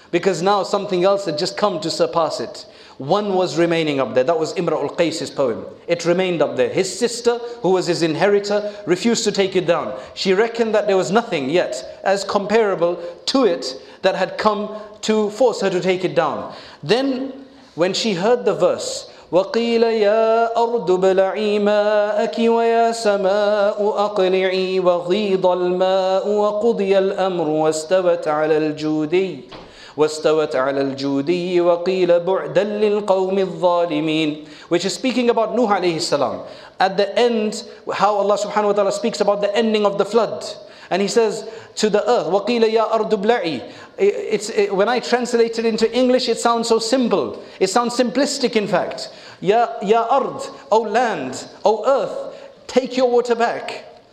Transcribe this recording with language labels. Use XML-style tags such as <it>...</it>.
<en>Because now something else had just come to surpass it. One was remaining up there. That was Imra'ul Qais's poem. It remained up there. His sister, who was his inheritor, refused to take it down. She reckoned that there was nothing yet as comparable to it that had come to force her to take it down. Then, when she heard the verse,</en> <ar>وَقِيلَ يَا أَرْضُ بَلَعِي مَاءَكِ وَيَا سَمَاءُ أَقْلِعِي وَغِيضَ الْمَاءُ وَقُضِيَ الْأَمْرُ وَاسْتَوَتْ عَلَى الْجُودِيِّ وَاسْتَوَتْ عَلَى الْجُودِيِّ وَقِيلَ بُعْدًا لِلْقَوْمِ الظَّالِمِينَ.</ar> <en>Which is speaking about Nuh alayhi salam. At the end, how Allah subhanahu wa ta'ala speaks about the ending of the flood. And he says to the earth,</en> <ar>وَقِيلَ يَا أَرْضُ بْلَعِي.</ar> <en>When I translate it into English, it sounds so simple. It sounds simplistic, in fact. Ya ard, O land, O earth, take your water back.</en>